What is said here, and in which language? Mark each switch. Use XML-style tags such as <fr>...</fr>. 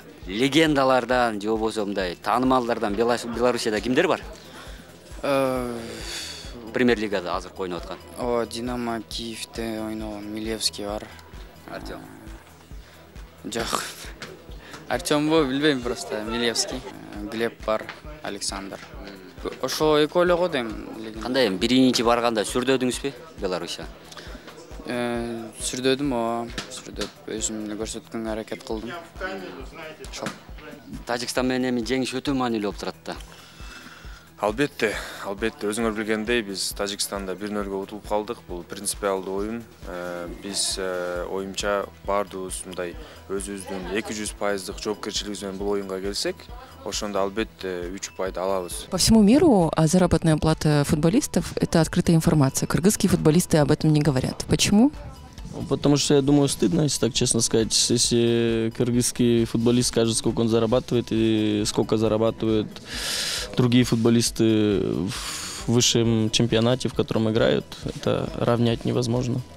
<ky>Легендалардан, жобосомдай, танымалдардан Беларусияда кимдер бар? Премьер лигада азыр койнуп аткан. О, Динамо Киевте ойногон Милевский бар. Артем. Жок. Артем бо, билбейм просто, Милевский. Глеб бар, Александр. Ошо эколу го дейм. Кандай эми биринчи барганда сүрдөдүңүзбү Беларусия? Сүрдөдүм о, сүрдөп өзүмдү көрсөткөнгө аракет кылдым. Ошо. Тажикстан менен эми жеңиш өтө маанилүү болуп турат да. Албетте, албетте. Өзүңөр билгендей, биз Тажикстанда 1-0 утулуп калдык. Бул принципиалдуу оюн. Биз оюмча баардыгыбыз мындай өзүбүздүн 200% жоопкерчилигибиз менен бул оюнга келсек, ошондо албетте 3 упайды алабыз.</ky> <ru>По всему миру заработная плата футболистов – это открытая информация. Кыргызские футболисты об этом не говорят. Почему? Потому что, я думаю, стыдно, если так честно сказать. Если кыргызский футболист скажет, сколько он зарабатывает и сколько зарабатывают другие футболисты в высшем чемпионате, в котором играют, это равнять невозможно.</ru>